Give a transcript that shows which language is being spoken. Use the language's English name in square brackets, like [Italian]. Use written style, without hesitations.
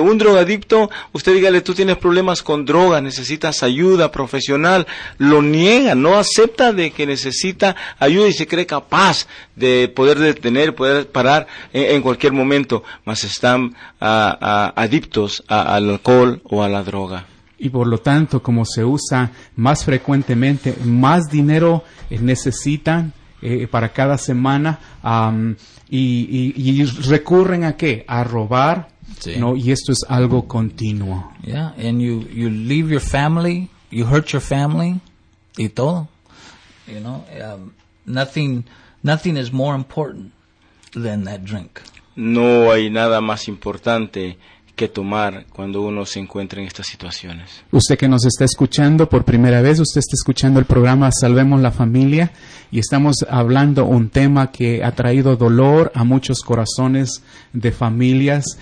[Spanish] Un drogadicto, usted dígale, tú tienes problemas con droga, necesitas ayuda profesional, lo niega, no acepta de que necesita ayuda y se cree capaz de poder detener, poder parar en cualquier momento, mas están adictos al alcohol o a la droga. Y por lo tanto, como se usa más frecuentemente, más dinero necesitan para cada semana, y recurren a qué, a robar, sí. ¿No? Y esto es algo continuo. [English] Yeah, and you leave your family, you hurt your family, [Spanish] y todo, [English] you know, nothing is more important than that drink. [Spanish] no hay nada más importante que tomar cuando uno se encuentra en estas situaciones. Usted que nos está escuchando por primera vez, usted está escuchando el programa Salvemos la Familia, y estamos hablando un tema que ha traído dolor a muchos corazones de familias.